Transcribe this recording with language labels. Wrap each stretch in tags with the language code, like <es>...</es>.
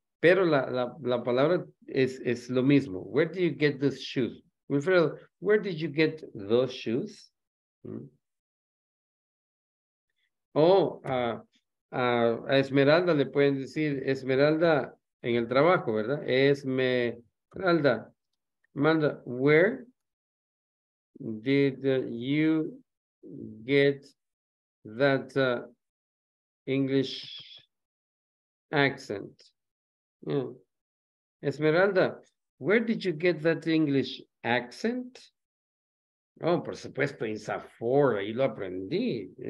<es>Pero la palabra es lo mismo.</es> <en>Where do you get those shoes? Wilfredo, where did you get those shoes?</en> <es>A Esmeralda le pueden decir, Esmeralda, en el trabajo, ¿verdad?</es> <en>Esmeralda, manda, where did you get that English accent? Yeah. Esmeralda, where did you get that English accent?</en> <es>Oh, por supuesto, in Safor, ahí lo aprendí.</es>